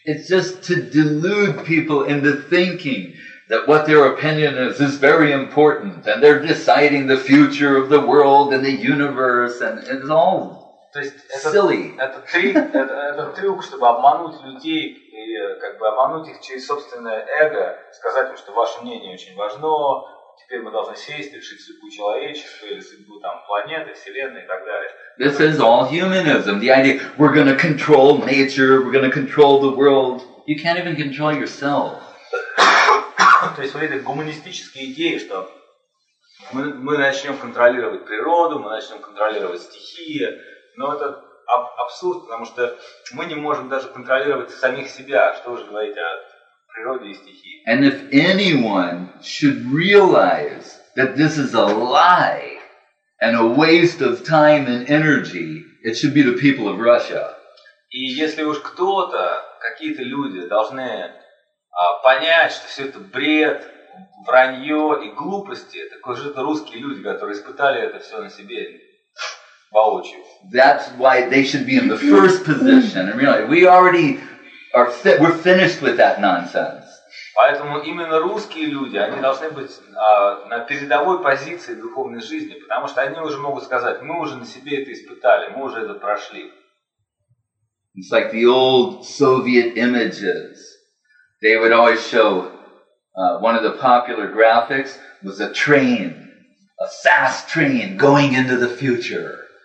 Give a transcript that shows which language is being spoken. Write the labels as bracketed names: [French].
[English] It's just to delude people into thinking that what their opinion is very important, and they're deciding the future of the world and the universe, and it's all silly. [Russian] Это трюк, чтобы обмануть людей и как бы обмануть их через собственное эго, сказать им, что ваше мнение очень важно. Теперь мы должны сесть и решить судьбу человечества или судьбу там планеты, вселенной и так далее. [English] This is all humanism. The idea we're going to control nature, we're going to control the world. You can't even control yourself. [Russian] То есть вот эти гуманистические идеи, что мы начнем контролировать природу, мы начнем контролировать стихии, но это абсурд, потому что мы не можем даже контролировать самих себя. Что уже говорить о [English] And if anyone should realize that this is a lie, and a waste of time and energy, it should be the people of Russia. [Russian] И если уж кто-то, какие-то люди должны понять, что все это бред, вранье и глупости, так уже это русские люди, которые испытали это все на себе воочию. [English] That's why they should be in the first position. And really, we already are we're finished with that nonsense. [Russian] Поэтому именно русские люди, они должны быть на передовой позиции духовной жизни, потому что они уже могут сказать, мы уже на себе это испытали, мы уже это прошли. [English] It's like the old Soviet images. They would always show one of the popular graphics was a train, a fast train going into the future.